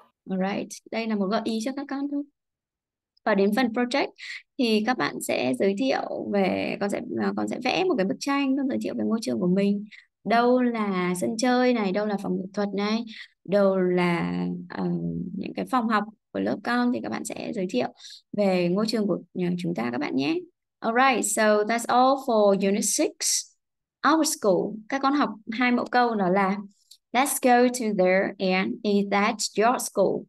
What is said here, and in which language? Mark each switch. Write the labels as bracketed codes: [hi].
[vi] Alright, đây là một gợi ý cho các con thôi. Và đến phần project thì các bạn sẽ giới thiệu về, con sẽ vẽ một cái bức tranh, con giới thiệu về ngôi trường của mình. Đâu là sân chơi này, đâu là phòng nghệ thuật này, đâu là những cái phòng học của lớp con, thì các bạn sẽ giới thiệu về ngôi trường của chúng ta các bạn nhé. [en] Alright, so that's all for Unit 6, our school. [vi] Các con học hai mẫu câu đó là [en] let's go to there and is that your school?